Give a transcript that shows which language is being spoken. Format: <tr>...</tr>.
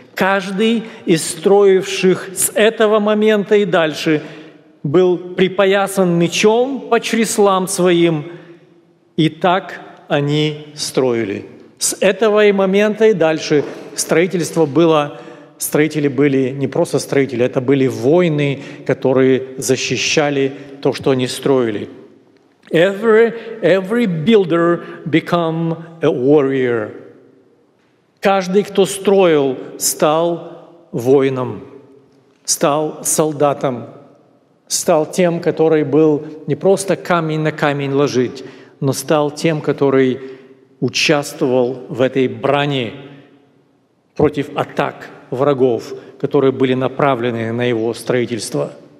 <ru>«Каждый из строивших с этого момента и дальше был припоясан мечом по чреслам своим, и так они строили». С этого и момента и дальше строительство было, строители были не просто строители, это были воины, которые защищали то, что они строили.</ru> <en>Every builder become a warrior.</en> <ru>Каждый, кто строил, стал воином, стал солдатом, стал тем, который был не просто камень на камень ложить, но стал тем, который участвовал в этой брани против атак врагов, которые были направлены на его строительство.</ru>